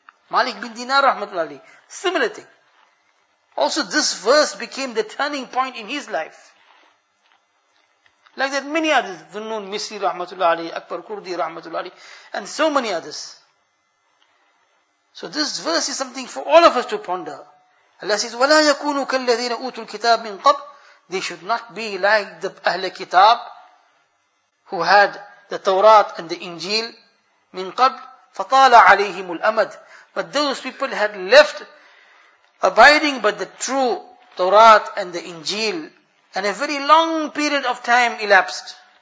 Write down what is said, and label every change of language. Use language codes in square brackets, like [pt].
[en] Malik bin Dinar rahmatullahi, similar thing. Also this verse became the turning point in his life. Like that many others, Dhunnun Misri rahmatullahi, Akbar Kurdi rahmatullahi, and so many others. So this verse is something for all of us to ponder. Allah says, [ar] وَلَا يَكُونُوا كَالَّذِينَ أُوتُوا الْكِتَابِ مِنْ قَبْ. [en] They should not be like the Ahlul Kitab who had the Torah and the Injil [ar] مِنْ قَبْ فَطَالَ عَلَيْهِمُ الْأَمَدْ. [en] But those people had left abiding by the true Torah and the Injil, and a very long period of time elapsed.